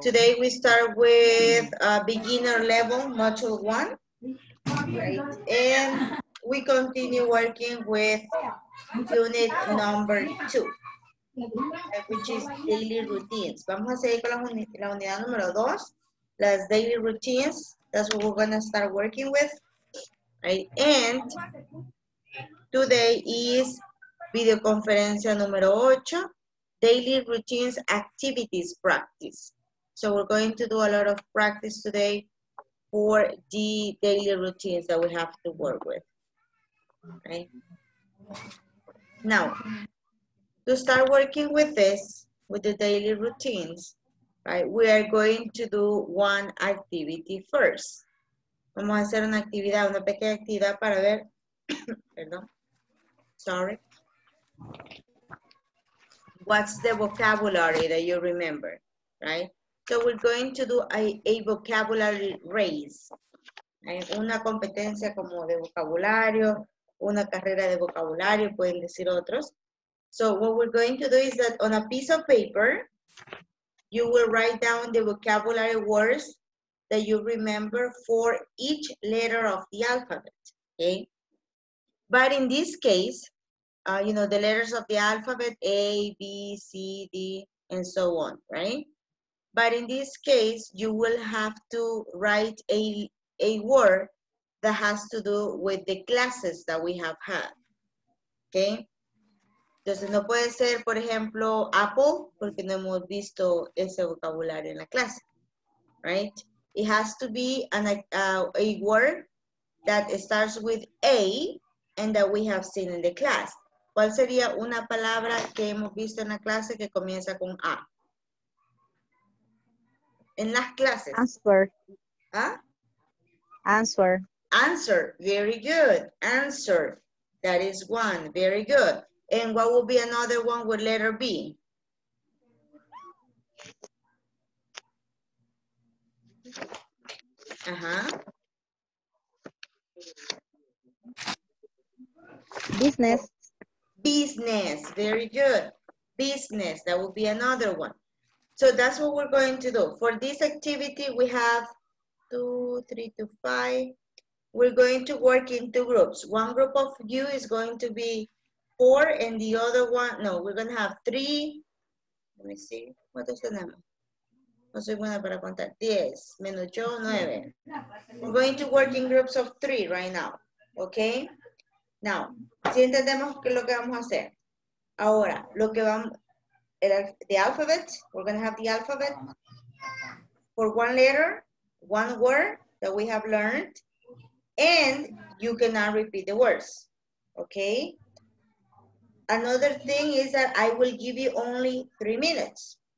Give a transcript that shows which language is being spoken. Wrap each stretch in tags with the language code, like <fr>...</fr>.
<en>Today we start with a beginner level, module one. Great. And we continue working with unit number two, which is daily routines.</en> <es>Vamos a seguir con la unidad número dos, las daily routines.</es> <en>That's what we're going to start working with. Right? And today is</en> <es>videoconferencia número ocho,</es> <en>daily routines activities practice. So we're going to do a lot of practice today for the daily routines that we have to work with. Okay. Now, to start working with this, with the daily routines, right, we are going to do one activity first.</en> <es>Vamos a hacer una actividad, una pequeña actividad para ver. Perdón.</es> <en>Sorry. What's the vocabulary that you remember, right? So we're going to do a vocabulary race. Right?</en> <es>Una competencia como de vocabulario. Una carrera de vocabulario, pueden decir otros.</es> <en>So what we're going to do is that on a piece of paper, you will write down the vocabulary words that you remember for each letter of the alphabet, okay? But in this case, you know, the letters of the alphabet, A, B, C, D, and so on, right? But in this case, you will have to write a word that has to do with the classes that we have had, okay?</en> <es>Entonces, no puede ser, por ejemplo, apple, porque no hemos visto ese vocabulario en la clase, right?</es> <en>It has to be a word that starts with A and that we have seen in the class.</en> <es>¿Cuál sería una palabra que hemos visto en la clase que comienza con A? En las clases.</es> <en>Answer. ¿Ah? Answer. Answer, very good. Answer, that is one, very good. And what will be another one with letter B? Business. Business, very good. Business, that will be another one. So that's what we're going to do. For this activity, we have 2, 3, 2, 5. We're going to work in two groups. One group of you is going to be four, and the other one, no, we're going to have three. Let me see.</en> <es>¿Cuántos tenemos? No soy buena para contar. 10, menos yo, 9.</es> <en>We're going to work in groups of three right now. Okay?</en> <es>Now, si entendemos qué es lo que vamos a hacer. Ahora, lo que vamos,</es> <en>the alphabet, we're going to have the alphabet for one letter, one word that we have learned. And you cannot repeat the words, okay? Another thing is that I will give you only 3 minutes.</en>